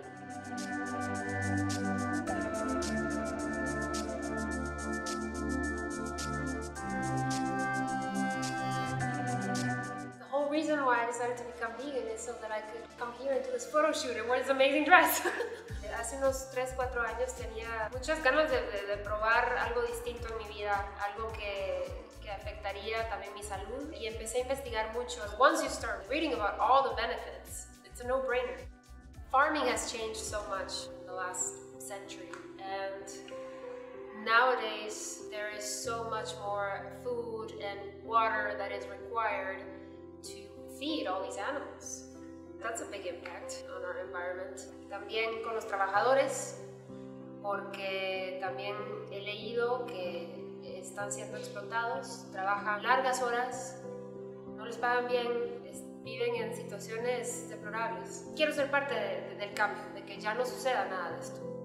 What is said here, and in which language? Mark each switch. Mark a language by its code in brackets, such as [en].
[en] The whole reason why I decided to become vegan is so that I could come here and do this photo shoot and wear this amazing dress. [es] Hace unos 3-4 años tenía muchas ganas de probar algo distinto en mi vida, algo que afectaría también mi salud, y empecé a investigar mucho. [en] Once you start reading about all the benefits, it's a no-brainer. Farming has changed so much in the last century, and nowadays there is so much more food and water that is required to feed all these animals. That's a big impact on our environment. [es] También con los trabajadores, porque también he leído que están siendo explotados, trabajan largas horas, no les pagan bien, viven en situaciones deplorables. Quiero ser parte del cambio, de que ya no suceda nada de esto.